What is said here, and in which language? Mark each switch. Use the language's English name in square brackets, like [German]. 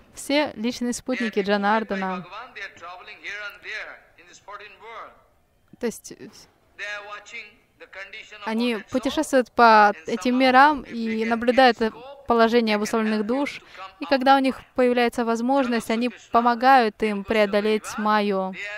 [Russian] Все личные спутники Джанардана. [English] They are traveling here and there in this foreign world. They are watching. [Russian] Они путешествуют по этим мирам и наблюдают положение обусловленных душ. И когда у них появляется возможность, они помогают им преодолеть майю.